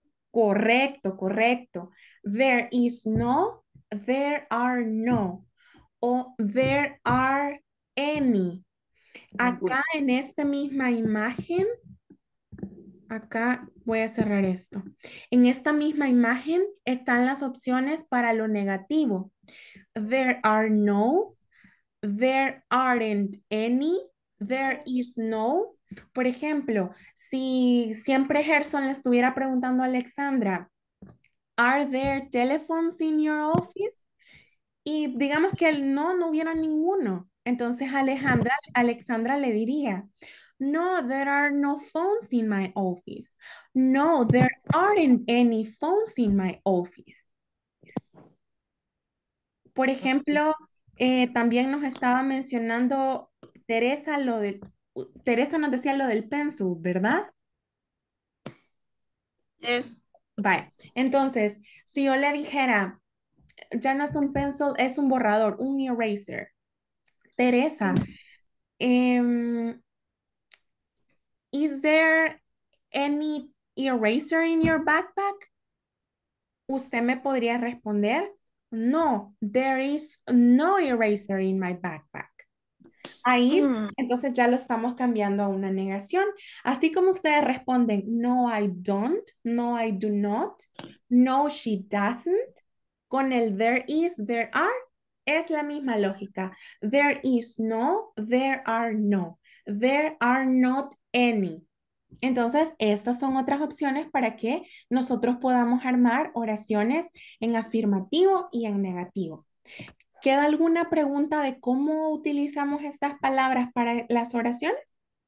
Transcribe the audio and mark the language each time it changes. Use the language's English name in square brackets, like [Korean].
[Spanish] Correcto, correcto. [English] There is no, there are no. O there are any. [Spanish] Acá en esta misma imagen, acá voy a cerrar esto. En esta misma imagen están las opciones para lo negativo. [English] There are no, there aren't any, there is no. [Spanish] Por ejemplo, si siempre Gerson le estuviera preguntando a Alexandra, [English] are there telephones in your office? [Spanish] Y digamos que no hubiera ninguno. Entonces Alexandra le diría, no, [English] there are no phones in my office. No, there aren't any phones in my office. [Spanish] Por ejemplo, también nos estaba mencionando Teresa lo de... Teresa nos decía lo del pencil, ¿verdad? [English] Yes. [Spanish] Vale. Entonces, si yo le dijera, ya no es un pencil, es un borrador, un eraser. [English] Teresa, is there any eraser in your backpack? [Spanish] ¿Usted me podría responder? [English] No, there is no eraser in my backpack. [Spanish] Ahí, entonces ya lo estamos cambiando a una negación. Así como ustedes responden, [English] no, I don't, no, I do not, no, she doesn't, con el there is, there are, [Spanish] es la misma lógica. [English] There is no, there are no, there are not any. [Spanish] Entonces, estas son otras opciones para que nosotros podamos armar oraciones en afirmativo y en negativo. ¿Queda alguna pregunta de cómo utilizamos estas palabras para las oraciones?